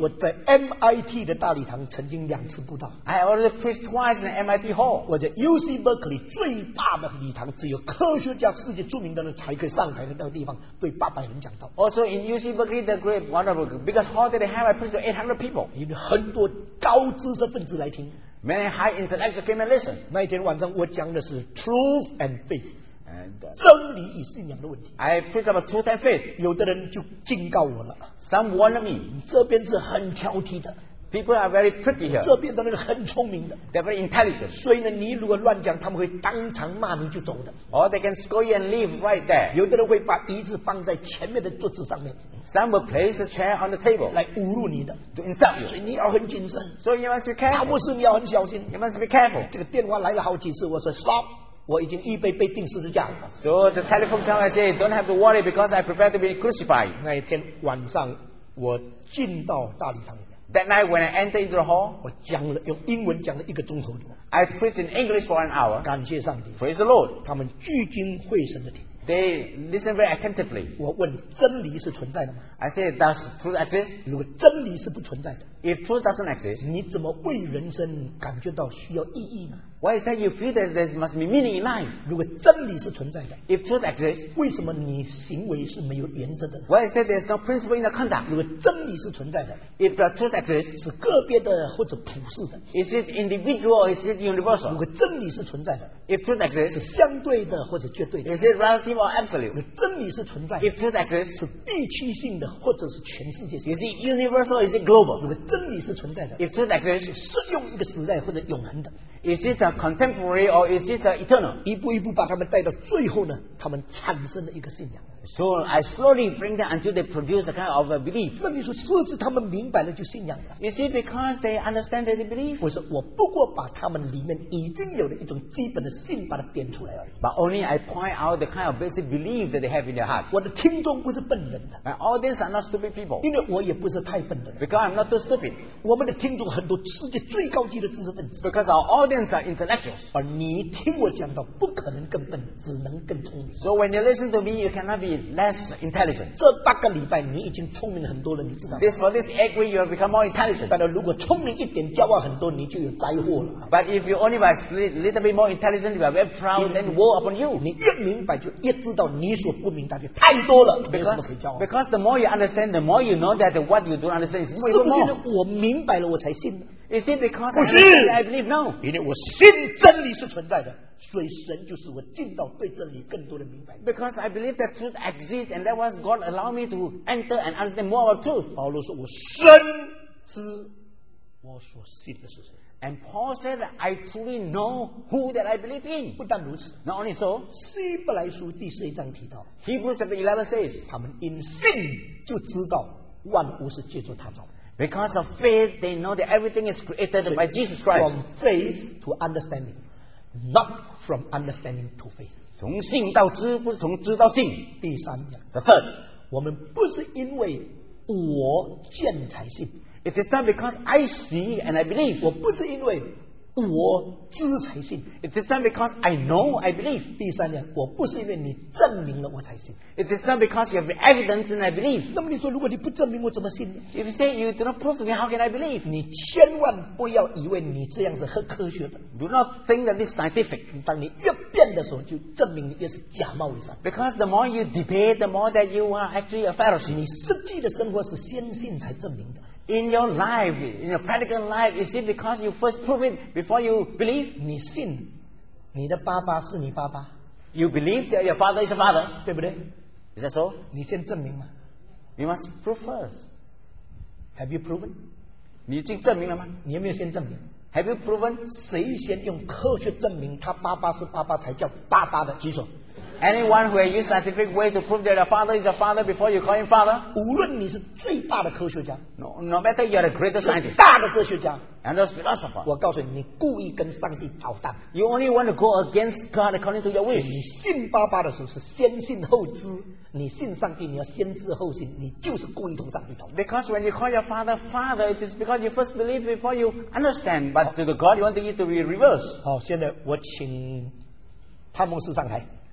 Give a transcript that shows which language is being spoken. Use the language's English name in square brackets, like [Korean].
[Chinese] 我在 MIT 的大礼堂曾经两次布道 [English] I already preached twice in MIT hall. [Chinese] 我在 UC Berkeley 最大的礼堂只有科学家世界著名的人才可以上台的那个地方对八百人讲道 [English] Also in UC Berkeley the great wonderful biggest hall that they have I preached to 800 people. [Chinese] 有很多高知识分子来听 [English] Many high intellectuals came and listened. [Chinese] 那一天晚上我讲的是 [English] truth and faith, [Chinese] 真理与信仰的问题。 [English] I preach about truth and faith. [Chinese] 有的人就警告我了。 [English] Some warned me. [Chinese] 这边是很挑剔的。 [English] People are very pretty here. [Chinese] 这边的人很聪明的。 [English] They're very intelligent. [Chinese] 所以呢，你如果乱讲，他们会当场骂你就走的。 [English] Or they can scold you and leave right there. [Chinese] 有的人会把椅子放在前面的桌子上面。 [English] Some will place a chair on the table [Chinese] 来侮辱你的 [English] to insult you. [Chinese] 所以你要很谨慎 [English] So you must be careful [Chinese] 他不是你要很小心 [English] You must be careful [Chinese] 这个电话来了好几次我说 stop 我已经预备被钉十字架了 [English] So the telephone come and say don't have to worry because I prepare to be crucified [Chinese] 那一天晚上我进到大礼堂里面 [English] That night when I entered into the hall [Chinese] 我讲了用英文讲了一个钟头多 [English] I preached in English for an hour [Chinese] 感谢上帝 [English] Praise the Lord [Chinese] 他们聚精会神的听 [English] They listen very attentively. [Chinese] 我问真理是存在的吗 [English] I say, does truth exist? [Chinese] 如果真理是不存在的 [English] If truth doesn't exist, [Chinese] 你怎么为人生感觉到需要意义呢 [English] Why is that you feel that there must be meaning in life? [Chinese] 如果真理是存在的 [English] If truth exists, [Chinese] 为什么你行为是没有原则的 [English] Why is that there's no principle in the conduct? [Chinese] 如果真理是存在的 [English] If the truth exists, [Chinese] 是个别的或者普世的 [English] Is it individual or is it universal? [Chinese] 如果真理是存在的 [English] If truth exists, [Chinese] 是相对的或者绝对的 [English] Is it relative? Or absolute. [Chinese] 真理是存在的。 [English] If truth exists, [Chinese] 是地区性的，或者是全世界性的。 [English] Is it universal? Is it global? [Chinese] 如果真理是存在的。 [English] If truth exists, [Chinese] 是适用一个时代或者永恒的。 [English] Is it a contemporary or is it a eternal? [Chinese] 一步一步把他们带到最后呢，他们产生了一个信仰。 [English] So I slowly bring them until they produce a kind of a belief. [Chinese] 那你说是不是他们明白了就信仰了 [English] ？Is it because they understand that they believe? [Chinese] 我说我不过把他们里面已经有的一种基本的信把它点出来而已。 [English] But only I point out the kind of basic belief that they have in their heart. [Chinese] 我的听众不是笨人的。 [English] My audience are not stupid people. [Chinese] 因为我也不是太笨的。 [English] Because I'm not too stupid. [Chinese] 我们的听众很多世界最高级的知识分子。 [English] Because our audience are intellectuals. [Chinese] 而你听我讲到不可能更笨，只能更聪明。 [English] So when you listen to me, you cannot be less intelligent. [Chinese] 这八个礼拜你已经聪明很多了，你知道。 [English] This for this agree you have become more intelligent. [Chinese] 但是如果聪明一点，骄傲很多，你就有灾祸了。 [English] But if you only by little bit more intelligent, you are very proud, then war upon you. [Chinese] 你越明白就越知道你所不明白的太多了。 [English] Because the more you understand, the more you know that what you don't understand is more. [Chinese] 是不是我明白了我才信呢？ [English] Is it because [Chinese] 不是 [English] I believe no. [Chinese] 因为我信真理是存在的。所以神就是我进到对真理更多的明白。 [English] Because I believe that truth exists, and that was God allow me to enter and understand more about truth. [Chinese] 保罗说：“我深知我所信的是谁。” [English] And Paul said, "I truly know who that I believe in." [Chinese] 不但如此 [English] ，Not only so. [Chinese] 希伯来书第十一章提到 [English] ，Hebrews chapter 11 says, [Chinese] 他们因信就知道万物是借助他造。 [English] Because of faith, they know that everything is created by Jesus Christ. From faith to understanding. Not from understanding to faith. [Chinese] 从信到知，不是从知到信。第三点 [English] ，the third， [Chinese] 我们不是因为我见才信。 [English] It is not because I see and I believe. [Chinese] 我不是因为我知才信。 [English] It is not because I know, I believe. [Chinese] 第三点，我不是因为你证明了我才信。 [English] It is not because you have evidence and I believe. [Chinese] 那么你说，如果你不证明，我怎么信呢？ [English] If you say you do not prove me, how can I believe? [Chinese] 你千万不要以为你这样是很科学的。 [English] Do not think that this is scientific. [Chinese] 当你越辩的时候，就证明你越是假冒伪善。 [English] Because the more you debate, the more that you are actually a fallacy. [Chinese] 你实际的生活是先信才证明的。 [English] In your life, in your practical life, is it because you first prove it before you believe? [Chinese] 你信，你的爸爸是你爸爸。 [English] You believe that your father is a father, [Chinese] 对不对？ [English] Is that so? [Chinese] 你先证明嘛。 [English] You must prove first. Have you proven? [Chinese] 你已经证明了吗？你有没有先证明？ [English] Have you proven? [Chinese] 谁先用科学证明他爸爸是爸爸才叫爸爸的？举手。 [English] Anyone who has used scientific way to prove that a father is a father before you call him father? [Chinese] 无论你是最大的科学家， [English] no matter you are the greatest scientist, [Chinese] 大的哲学家， [English] and those philosophers, [Chinese] 我告诉你，你故意跟上帝捣蛋。 [English] You only want to go against God according to your wish. [Chinese] 你信爸爸的时候是先信后知，你信上帝你要先知后信，你就是故意同上帝捣蛋。 [English] Because when you call your father father, it is because you first believe before you understand. But to the God, you want it to be reversed. [Chinese] 好，现在我请潘牧师上台。